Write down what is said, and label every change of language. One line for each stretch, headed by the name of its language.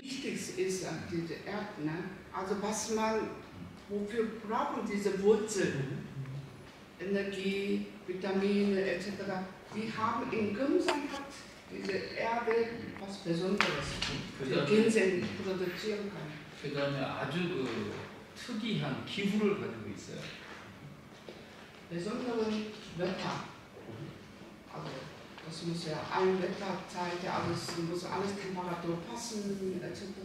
German: Wichtigste ist diese Erde, ne? Also was man, wofür brauchen diese Wurzeln, Energie, Vitamine etc., die haben in Kümmsan hat diese Erde was Besonderes, die Ginseng produzieren kann. Für deine
Korean: 아주 그 특이한 기후를 가지고 있어요.
German: Besonderen Wetter. Also das muss ja ein Wetterzeit, also es muss alles Temperatur passen etc.